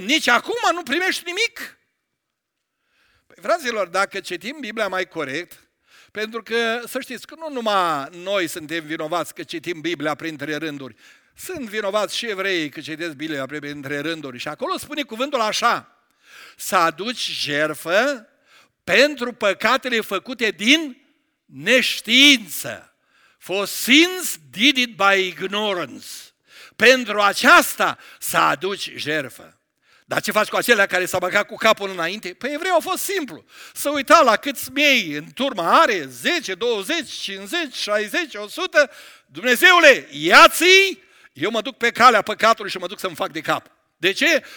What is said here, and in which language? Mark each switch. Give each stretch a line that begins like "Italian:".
Romanian: Nici acum nu primești nimic? Păi, fraților, dacă citim Biblia mai corect, pentru că, să știți, că nu numai noi suntem vinovați că citim Biblia printre rânduri, sunt vinovați și evreii că citesc Biblia printre rânduri. Și acolo spune cuvântul așa, să aduci jertfă pentru păcatele făcute din neștiință.
English: For sins did it by ignorance.
Romanian: Pentru aceasta să aduci jertfă. Dar ce faci cu acelea care s-au băgat cu capul înainte? Păi evreu a fost simplu. Să uita la câți miei în turma are, 10, 20, 50, 60, 100. Dumnezeule, ia-ți-i, eu mă duc pe calea păcatului și mă duc să-mi fac de cap. De ce?